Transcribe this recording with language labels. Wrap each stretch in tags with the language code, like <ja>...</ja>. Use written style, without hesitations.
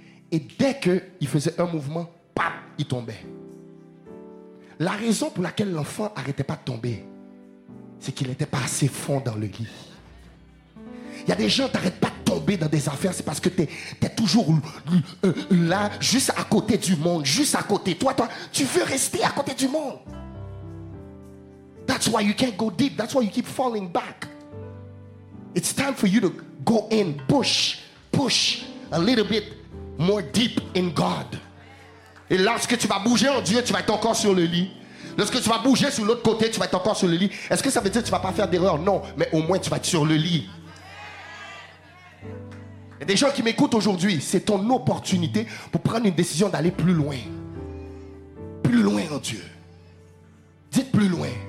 <fr>Et dès qu'il faisait un mouvement, paf, il tombait. La raison pour laquelle l'enfant n'arrêtait pas de tomber, c'est qu'il n'était pas assez fond dans le lit. Il y a des gens qui n'arrêtent pas de tomber dans des affaires, c'est parce que tu es toujours là, juste à côté du monde, juste à côté. Toi, tu veux rester à côté du monde.</fr> <en>That's why you can't go deep. That's why you keep falling back. It's time for you to go in, push a little bit more deep in God.</en> <fr>Et lorsque tu vas bouger en Dieu, tu vas être encore sur le lit. Lorsque tu vas bouger sur l'autre côté, tu vas être encore sur le lit. Est-ce que ça veut dire que tu ne vas pas faire d'erreur? Non, mais au moins tu vas être sur le lit. Il y a des gens qui m'écoutent aujourd'hui, c'est ton opportunité pour prendre une décision d'aller plus loin. Plus loin en Dieu. Dites plus loin.</fr>